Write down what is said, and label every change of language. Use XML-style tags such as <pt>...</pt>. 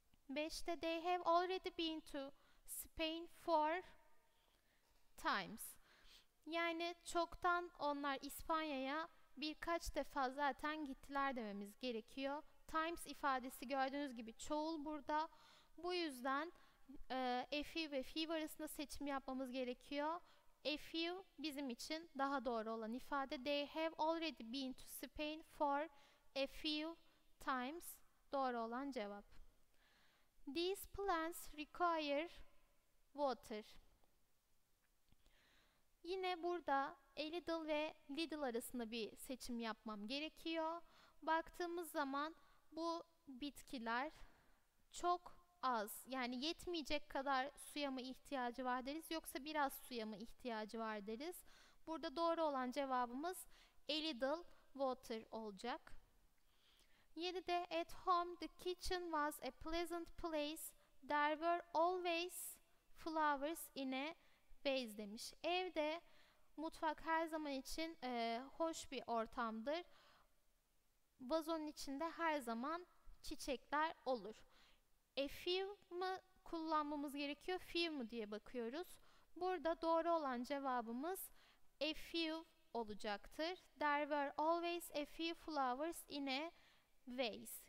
<en>5'te they have already been to Spain four times.</en> <tr>Yani çoktan onlar İspanya'ya birkaç defa zaten gittiler dememiz gerekiyor. Times ifadesi gördüğünüz gibi çoğul burada. Bu yüzden a few ve few arasında seçim yapmamız gerekiyor. A few bizim için daha doğru olan ifade.</tr> <en>They have already been to Spain for a few times.</en> <tr>Doğru olan cevap.</tr> <en>These plants require water.</en> <tr>Yine burada a little ve little arasında bir seçim yapmam gerekiyor. Baktığımız zaman bu bitkiler çok az, yani yetmeyecek kadar suya mı ihtiyacı var deriz, yoksa biraz suya mı ihtiyacı var deriz. Burada doğru olan cevabımız a little water olacak.</tr> <en>7'de at home the kitchen was a pleasant place. There were always flowers in a vase demiş.</en> <tr>Evde mutfak her zaman için hoş bir ortamdır. Vazonun içinde her zaman çiçekler olur. A few mu kullanmamız gerekiyor, few mu diye bakıyoruz. Burada doğru olan cevabımız a few olacaktır.</tr> <en>There were always a few flowers in a vase.</en>